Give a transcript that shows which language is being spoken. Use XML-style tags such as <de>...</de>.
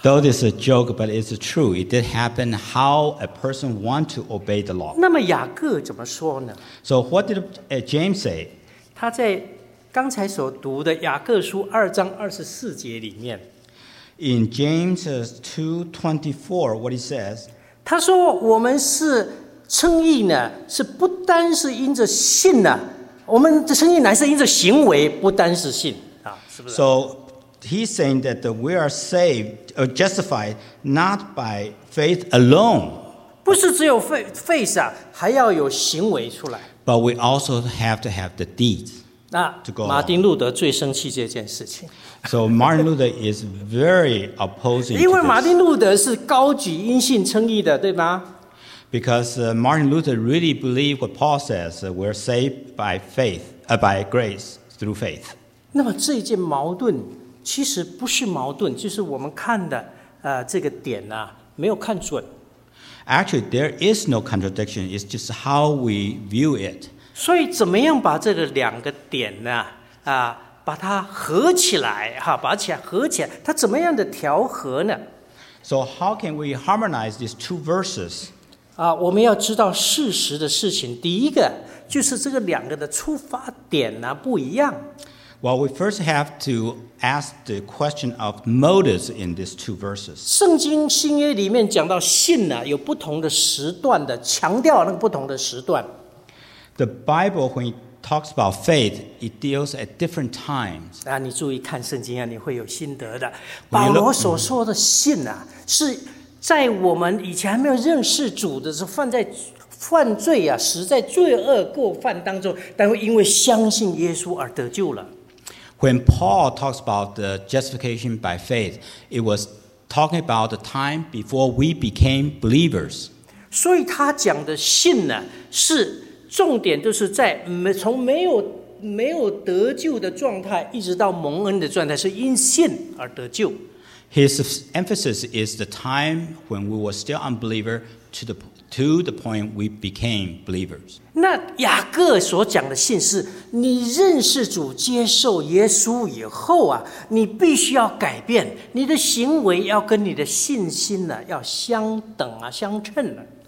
<en>Though this is a joke, but it's true. It did happen. How a person want to obey the law?</en> <zh>那么雅各怎么说呢</zh> <en>？So what did James say?</en> <zh>他在刚才所读的雅各书二章二十四节里面</zh> <en>，In James 2:24, what he says?</en> <zh>他说我们是。称义呢，是不单是因着信呢、啊，我们的称义乃是因着行为，不单是信啊，是不是</zh> <en>？So he's saying that we are saved or justified not by faith alone.</en> <zh>不是只有 faith 啊，还要有行为出来。</zh> <en>But we also have to have the deeds.</en> <zh>那马丁路德最生气这件事情。</zh> <en>So Martin Luther is very opposing.</en> <zh>因为马丁路德是高举因信称义的，对吗？</zh> <en>Because Martin Luther really believed what Paul says, we're saved by faith, by grace through faith.</en> <zh>那么这一件矛盾其实不是矛盾，就是我们看的这个点呢、啊、没有看准。</zh> <en>Actually, there is no contradiction. It's just how we view it.</en> <zh>所以怎么样把这个两个点呢、啊、把它合起来哈，把它合起来，它怎么样的调和呢？</zh> <en>So how can we harmonize these two verses?</en> <zh>啊，我们要知道事实的事情，第一个就是这个两个的出发点呢、啊、不一样。</zh> <en>Well, we first have to ask the question of motives in these two verses.</en> <zh>圣经新约里面讲到信呢、啊，有不同的时段的，强调那个不同的时段。</zh> <en>The Bible, when it talks about faith, it deals at different times.</en> <zh>啊，你注意看圣经啊，你会有心得的。保罗所说的信呢、啊，是在我们以前还没有认识主的时候，放在。犯罪啊，实在罪恶过犯当中，但会因为相信耶稣而得救了。</zh> <en>When Paul talks about the justification by faith, it was talking about the time before we became believers.</en> <zh>所以他讲的信呢，是重点就是在从没有得救的状态，一直到蒙恩的状态，是因信而得救。</zh> <en>His emphasis is the time when we were still unbeliever to the point we became believers.</en> <zh>那雅各所讲的信是你认识主接受耶稣以后啊，你必须要改变你的行为，要跟你的信心呢、啊、要相等啊，相称啊。</zh>